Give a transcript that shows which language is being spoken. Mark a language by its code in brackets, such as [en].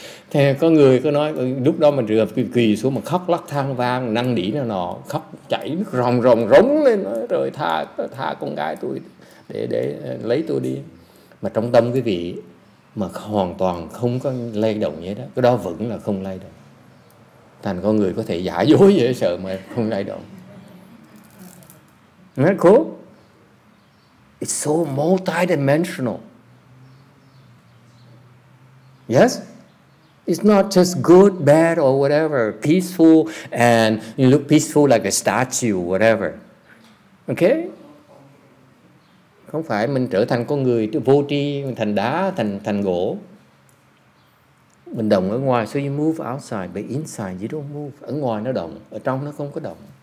[vi] Thế có người có nói lúc đó mình rượt kỳ xuống mà khóc lắc than vang năn nỉ nào nọ khóc chảy nước ròng ròng rống lên nói rồi tha con gái tôi để lấy tôi đi mà trong tâm quý vị mà hoàn toàn không có lay động như đó cái đó vẫn là không lay động thành con người có thể giả dối dễ sợ mà không lay động nó cố [en] it's so multidimensional yes. It's not just good, bad, or whatever. Peaceful, and you look peaceful like a statue, whatever. Okay? [vi] Không phải mình trở thành con người vô tri, thành đá, thành gỗ. Mình động ở ngoài, [en] so you move outside, but inside you don't move. [vi] Ở ngoài nó động, ở trong nó không có động.